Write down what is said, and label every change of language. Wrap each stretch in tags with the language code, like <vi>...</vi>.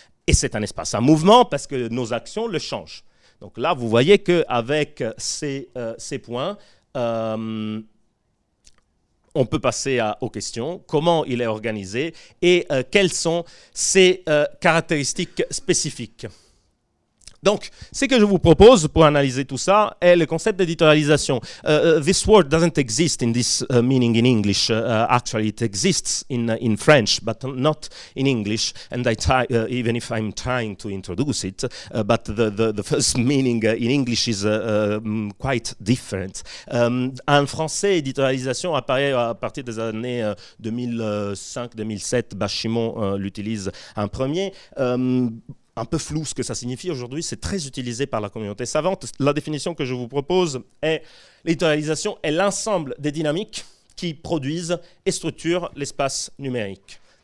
<fr>Et c'est un espace en mouvement parce que nos actions le changent. Donc là, vous voyez qu'avec ces points, on peut passer aux questions. Comment il est organisé et quelles sont ses caractéristiques spécifiques? Donc, ce que je vous propose pour analyser tout ça est le concept d'éditorialisation.</fr> <en>This word doesn't exist in this meaning in English. Actually, it exists in French, but not in English. And I try, even if I'm trying to introduce it, but the first meaning in English is quite different.</en> <fr>En français, éditorialisation apparaît à partir des années 2005-2007. Bah, Chimon l'utilise en premier. Un peu flou ce que ça signifie aujourd'hui, c'est très utilisé par la communauté savante. La définition que je vous propose est l'éditorialisation est l'ensemble des dynamiques qui produisent et structurent l'espace numérique.</fr>